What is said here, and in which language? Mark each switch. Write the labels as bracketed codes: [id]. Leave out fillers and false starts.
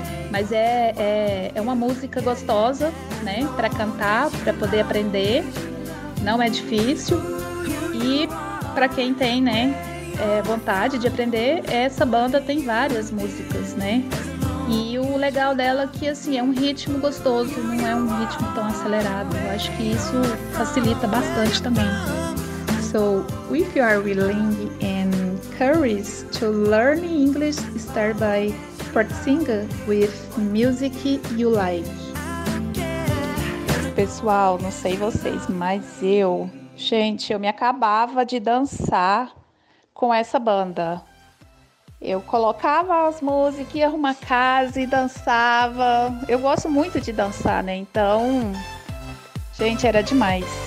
[pt] Mas é uma música gostosa, né, para cantar, para poder aprender, não é difícil. E para quem tem, né, vontade de aprender, essa banda tem várias músicas, né? E o legal dela é que, assim, é um ritmo gostoso, não é um ritmo tão acelerado. Eu acho que isso facilita bastante também. [en] So, if you are willing and curious to learn English, start by practicing with music you like. [pt] Pessoal, não sei vocês, mas eu... Gente, eu me acabava de dançar com essa banda. Eu colocava as músicas, ia arrumar casa e dançava. Eu gosto muito de dançar, né? Então, gente, era demais.